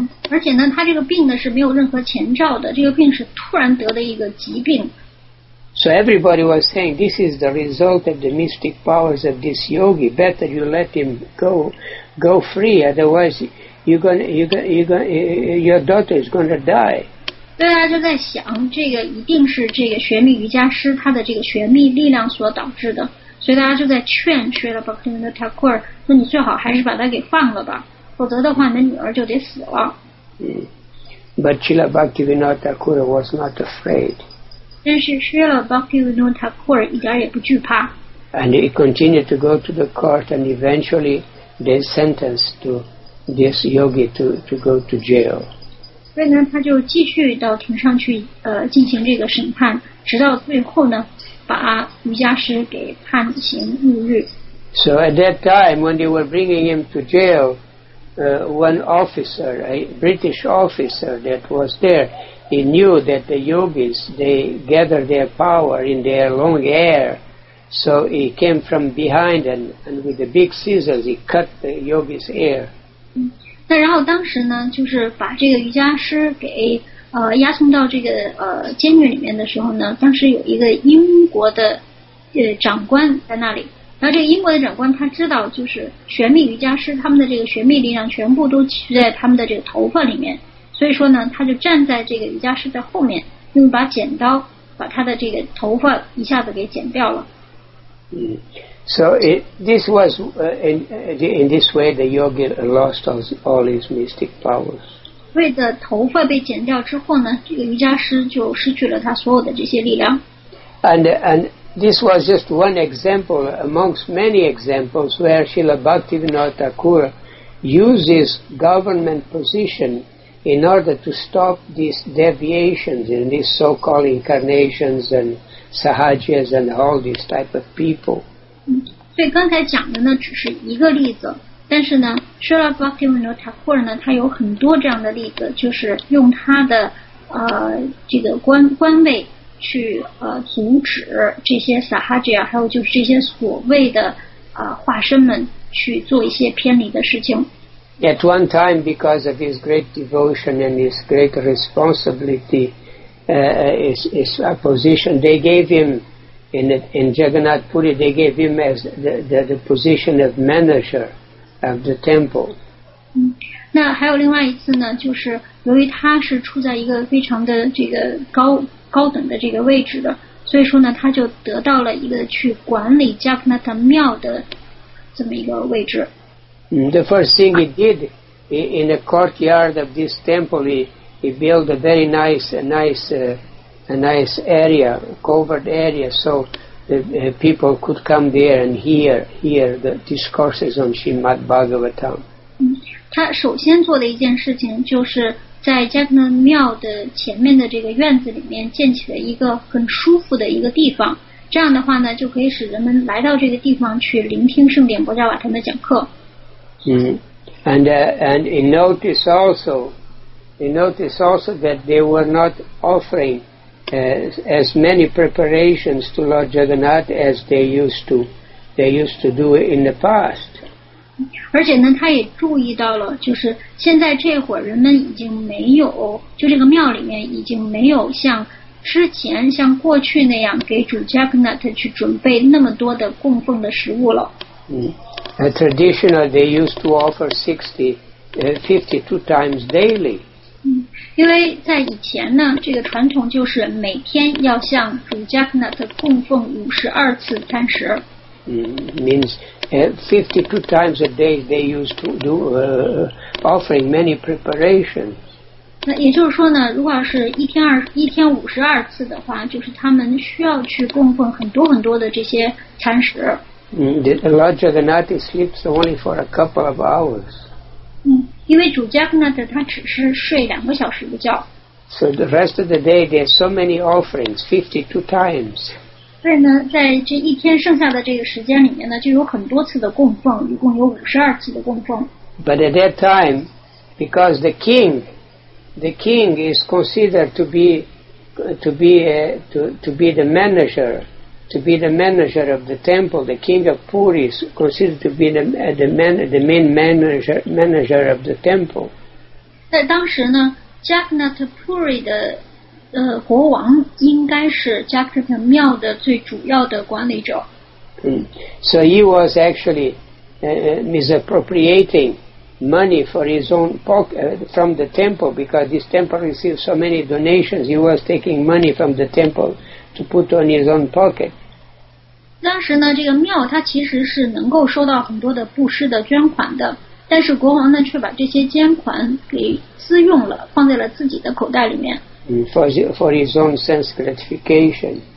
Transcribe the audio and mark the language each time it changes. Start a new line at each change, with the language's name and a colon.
Chinese: 而且呢，她这个病呢是没有任何前兆的，这个病是突然得的一个疾病。
English: So everybody was saying, this is the result of the mystic powers of this yogi. Better you let him go free, otherwise your daughter is going to die.
Chinese: 大家就在想，这个一定是这个玄秘瑜伽师他的这个玄秘力量所导致的，所以大家就在劝Srila Bhaktivinoda Thakur，说你最好还是把他给放了吧，否则的话，你的女儿就得死了。
English: But Srila Bhaktivinoda Thakur was not afraid.
Chinese: 但是Srila Bhaktivinoda Thakur一点也不惧怕。
English: And he continued to go to the court, and eventually they sentenced to this yogi to go to jail.
Chinese: 所以呢，他就继续到庭上去，进行这个审判，直到最后呢，把瑜伽师给判刑入狱。
English: So at that time, when they were bringing him to jail, one officer, a British officer that was there, he knew that the yogis they gather their power in their long hair, So he came from behind and with the big scissors he cut the yogi's ear.
Chinese: 那然后当时呢，就是把这个瑜伽师给押送到这个监狱里面的时候呢，当时有一个英国的长官在那里。然后这个英国的长官他知道，就是玄秘瑜伽师他们的这个玄秘力量全部都聚在他们的这个头发里面，所以说呢，他就站在这个瑜伽师的后面，用一把剪刀把他的这个头发一下子给剪掉了。
English: So this was in this way the yogi lost all his mystic powers.
Chinese: 为的头发被剪掉之后呢，这个瑜伽师就失去了他所有的这些力量。
English: And this was just one example amongst many examples where Srila Bhaktivinoda Thakur uses government position in order to stop these deviations in these so-called incarnations and sahajas and all these type of people.
Chinese: 所以刚才讲的呢只是一个例子，但是呢 Srila Bhaktivinoda Thakur 呢他有很多这样的例子，就是用他的这个官位去阻止这些 Sahaja 还有就是这些所谓的化身们去做一些偏离的事情。
English: At one time because of his great devotion and his great responsibility his position they gave him in Jagannath Puri they gave him as the position of manager of the temple.
Chinese: 那还有另外一次呢，就是由于他是处在一个非常的这个高等的这个位置的，所以说呢，他就得到了一个去管理加格纳塔庙的这么一个位置。
English: The first thing he did in the courtyard of this temple, he built a very nice area, covered area, so the people could come there and hear the discourses on Srimad Bhagavatam.
Chinese: 他首先做的一件事情就是。在加格纳庙的前面的这个院子里面建起了一个很舒服的一个地方，这样的话呢就可以使人们来到这个地方去聆听圣典波扎瓦他们的讲课。
English: And you notice also that they were not offering as many preparations to Lord Jagannath as they used to do in the past.
Chinese: 而且呢他也注意到了，就是现在这会儿人们已经没有，就这个庙里面已经没有像之前像过去那样给主 Jagannath 去准备那么多的供奉的食物了。
English: Traditionally they used to offer 52 times daily.
Chinese: 因为在以前呢这个传统就是每天要向主 Jagannath 供奉52次餐食。
English: Means 52 times a day they used to do offering many preparations.
Chinese: 那也就是说呢，如果是一天五十二次的话，就是他们需要去供奉很多很多的这些餐食。
English: Lord Jagannath sleeps only for a couple of hours.
Chinese: 因为主 Jagannath 他只是睡两个小时的觉。
English: So the rest of the day there's so many offerings, 52 times.
Chinese: 所以呢在这一天剩下的这个时间里面呢就有很多次的供奉，一共有52次的供奉。
English: But at that time, because the king is considered to be the manager of the temple, the king of Puri is considered to be the main manager of the temple.
Chinese: 在当时呢 Jagannath Puri 的国王应该是加克特庙的最主要的管理者。
English: So he was actually misappropriating money for his own pocket from the temple because this temple received so many donations. He was taking money from the temple to put on his own pocket.
Chinese: 当时呢，这个庙它其实是能够收到很多的布施的捐款的，但是国王呢却把这些捐款给私用了，放在了自己的口袋里面。
English: For his own sense gratification.